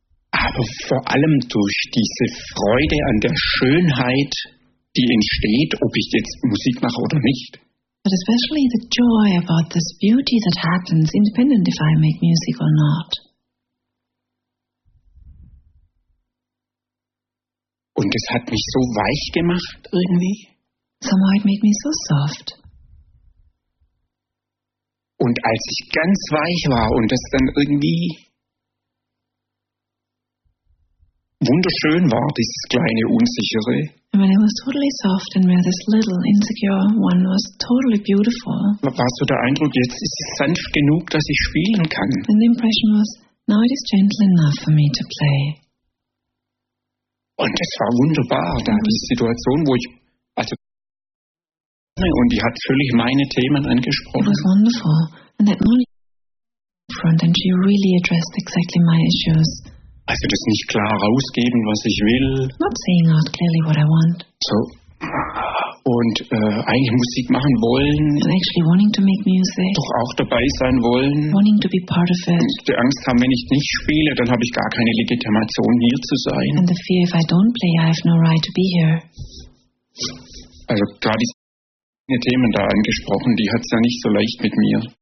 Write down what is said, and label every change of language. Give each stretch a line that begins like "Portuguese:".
German: Aber vor allem durch diese Freude an der Schönheit, die entsteht, ob ich jetzt Musik mache oder nicht.
English: But especially the joy about this beauty that happens, independent if I make music or not.
German: Und es hat mich so weich gemacht, irgendwie.
English: Somehow it made me so soft.
German: Und als ich ganz weich war und es dann irgendwie wunderschön war, dieses kleine Unsichere.
English: And when it was totally soft and where this little insecure one was totally beautiful.
German: War so der Eindruck, jetzt ist es sanft genug, dass ich spielen kann.
English: And the impression was, now it is gentle enough for me to play.
German: Und das war wunderbar. Da hatte ich eine Situation, wo ich, also, und die hat völlig meine Themen angesprochen.
English: It was wonderful. And that only front and she really addressed exactly my issues.
German: Also das nicht klar rausgeben, was ich will.
English: Not saying out clearly what I want.
German: So. Und eigentlich Musik machen wollen.
English: And actually wanting to make music.
German: Doch auch dabei sein wollen.
English: Wanting to be part of it.
German: Die Angst haben, wenn ich nicht spiele, dann habe ich gar keine Legitimation, hier zu sein.
English: And the fear if I don't play, I have no right to be here.
German: Also gerade die Themen da angesprochen, die hat es ja nicht so leicht mit mir.